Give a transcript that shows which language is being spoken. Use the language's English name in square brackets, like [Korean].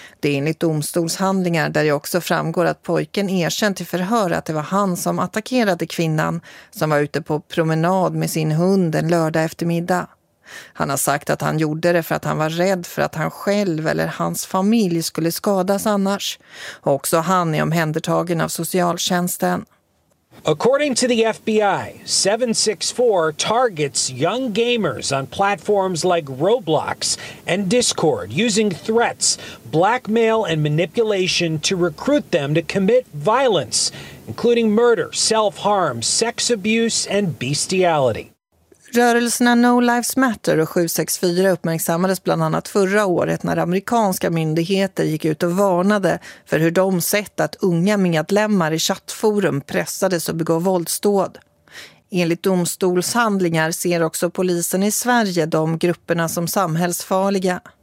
[Swedish] Det är enligt domstolshandlingar där det också framgår att pojken erkänt till förhör att det var han som attackerade kvinnan som var ute på promenad med sin hund en lördag eftermiddag. Han har sagt att han gjorde det för att han var rädd för att han själv eller hans familj skulle skadas annars. Också han är omhändertagen av socialtjänsten. [English] According to the FBI, 764 targets young gamers on platforms like Roblox and Discord using threats, blackmail and manipulation to recruit them to commit violence, including murder, self-harm, sex abuse and bestiality. [Swedish] Rörelserna No Lives Matter och 764 uppmärksammades bland annat förra året när amerikanska myndigheter gick ut och varnade för hur de sett att unga medlemmar i chattforum pressades och begå våldsdåd. Enligt domstolshandlingar ser också polisen i Sverige de grupperna som samhällsfarliga.